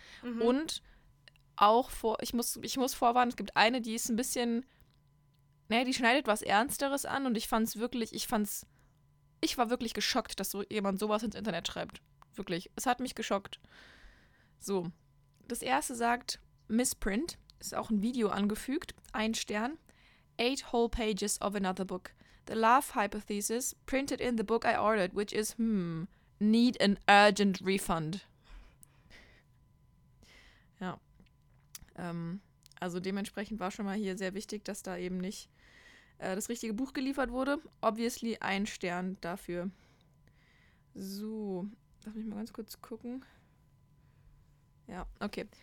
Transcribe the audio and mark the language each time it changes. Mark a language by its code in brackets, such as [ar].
[de] Und ich muss vorwarnen, es gibt eine, die ist ein bisschen, die schneidet was Ernsteres an und ich war wirklich geschockt, dass so jemand sowas ins Internet schreibt. Wirklich, es hat mich geschockt. So, das erste sagt Misprint, ist auch ein Video angefügt, ein Stern, [en] 8 whole pages of another book. The love hypothesis printed in the book I ordered, which is, need an urgent refund. [de] Ja. Also dementsprechend war schon mal hier sehr wichtig, dass da eben nicht das richtige Buch geliefert wurde. Obviously ein Stern dafür. So, lass mich mal ganz kurz gucken. Ja, okay.